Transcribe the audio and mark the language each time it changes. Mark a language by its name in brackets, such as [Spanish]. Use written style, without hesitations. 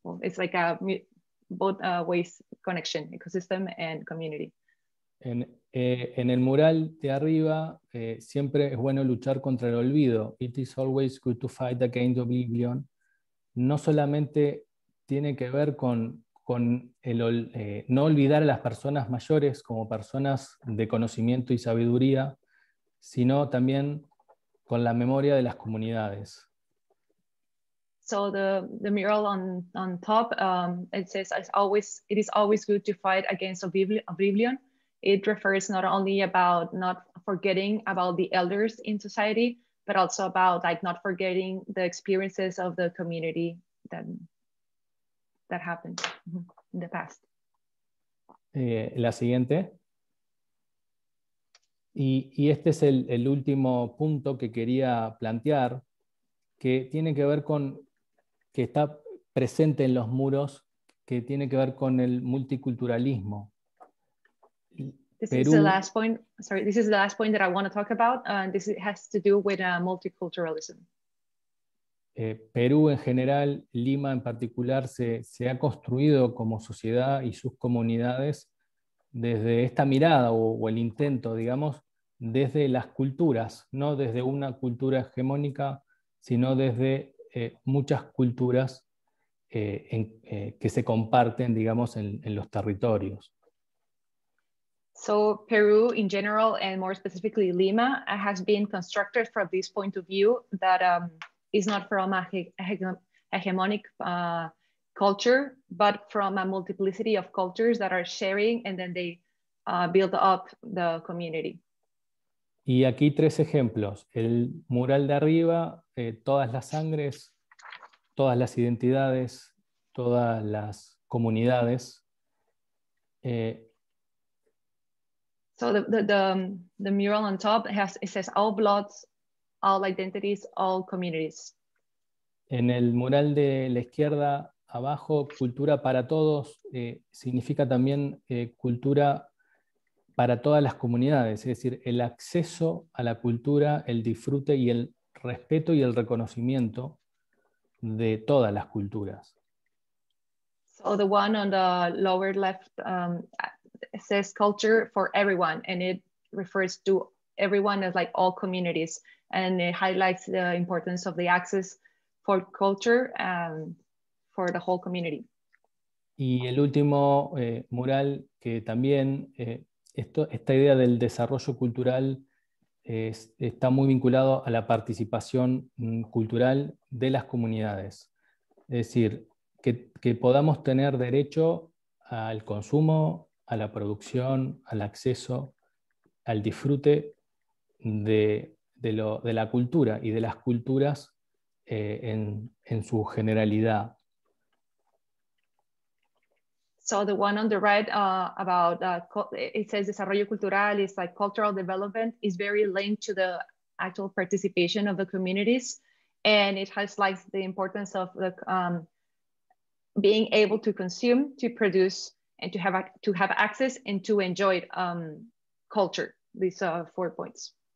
[English] Well, it's like a both ways connection, ecosystem and community. [Spanish] En el mural de arriba, siempre es bueno luchar contra el olvido. [English] It is always good to fight against oblivion. [Spanish] No solamente tiene que ver con el no olvidar a las personas mayores como personas de conocimiento y sabiduría, sino también con la memoria de las comunidades. [English] So the mural on top, it says it is always good to fight against oblivion. It refers not only about not forgetting about the elders in society, but also about like not forgetting the experiences of the community that happened in the past. [Spanish] La siguiente. Y este es el último punto que quería plantear, que tiene que ver con, que está presente en los muros, que tiene que ver con el multiculturalismo. [English] This is the last point that I want to talk about, and this has to do with multiculturalism. [Spanish] Perú en general, Lima en particular, se ha construido como sociedad y sus comunidades desde esta mirada o el intento, digamos, desde las culturas, no desde una cultura hegemónica, sino desde muchas culturas que se comparten, digamos, en los territorios. [English] So Peru in general, and more specifically Lima, has been constructed from this point of view that is not from a hegemonic culture, but from a multiplicity of cultures that are sharing, and then they build up the community. [Spanish] Y aquí tres ejemplos. El mural de arriba, todas las sangres, todas las identidades, todas las comunidades. [English] So the mural on top it says all bloods, all identities, all communities. [Spanish] En el mural de la izquierda abajo, cultura para todos significa también cultura para todas las comunidades, es decir, el acceso a la cultura, el disfrute y el respeto y el reconocimiento de todas las culturas. [English] So the one on the lower left it says culture for everyone, and it refers to everyone as like all communities, and it highlights the importance of the access for culture for the whole community. [Spanish] Y el último mural que también esta idea del desarrollo cultural está muy vinculado a la participación cultural de las comunidades, es decir, que podamos tener derecho al consumo, a la producción, al acceso, al disfrute de la cultura y de las culturas en su generalidad. [English] So the one on the right about it says [Spanish] desarrollo cultural [English] is like cultural development is very linked to the actual participation of the communities, and it highlights the importance of the being able to consume, to produce, and to have access and to enjoy culture, these 4 points.